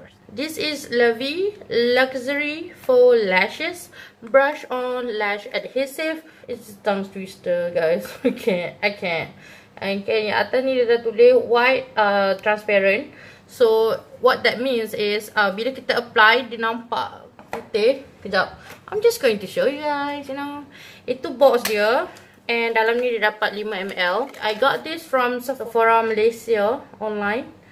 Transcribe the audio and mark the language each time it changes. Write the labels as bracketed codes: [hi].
[en] This is Lovey Luxury Faux Lashes Brush On Lash Adhesive. It's a tongue twister, guys. I can't. [ms] Yang atas ni dia dah tulis [en] white transparent. So what that means is, [ms] bila kita apply, dia nampak putih. Kejap, [en] I'm just going to show you guys. You know, [ms] itu box dia. And dalam ni dia dapat 5 ml. [en] I got this from Sephora Malaysia online.